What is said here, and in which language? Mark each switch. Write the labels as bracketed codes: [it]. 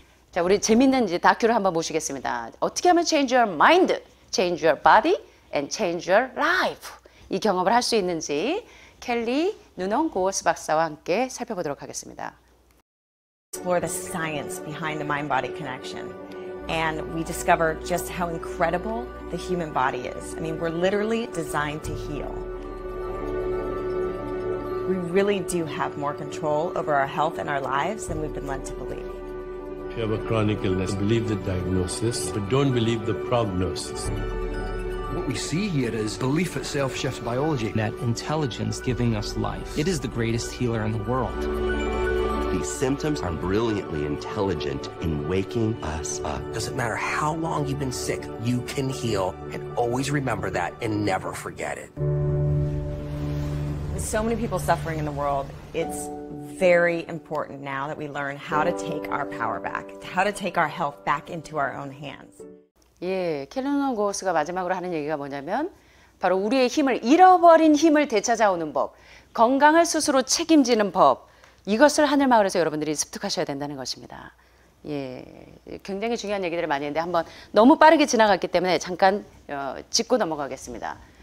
[ko] 자, 우리 재밌는 이제 다큐를 한번 보시겠습니다. 어떻게 하면 [en] change your mind, change your body, and change your life [ko] 이 경험을 할 수 있는지 켈리 누농 고어스 박사와 함께 살펴보도록 하겠습니다. [en] Explore the science behind the mind-body connection. and we discover just how incredible the human body is. I mean, we're literally designed to heal. We really do have more control over our health and our lives than we've been led to believe. If you have a chronic illness, believe the diagnosis, but don't believe the prognosis. What we see here is belief itself shifts biology. That intelligence giving us life. It is the greatest healer in the world. These symptoms are brilliantly intelligent in waking us up. Doesn't matter how long you've been sick, you can heal. And always remember that and never forget it. With so many people suffering in the world, it's very important now that we learn how to take our power back, how to take our health back into our own hands. [ko] 예, 켈러넌 고스가 마지막으로 하는 얘기가 뭐냐면 바로 우리의 힘을, 잃어버린 힘을 되찾아오는 법, 건강을 스스로 책임지는 법, 이것을 하늘마을에서 여러분들이 습득하셔야 된다는 것입니다. 예, 굉장히 중요한 얘기들을 많이 했는데 한번 너무 빠르게 지나갔기 때문에 잠깐 짚고 넘어가겠습니다.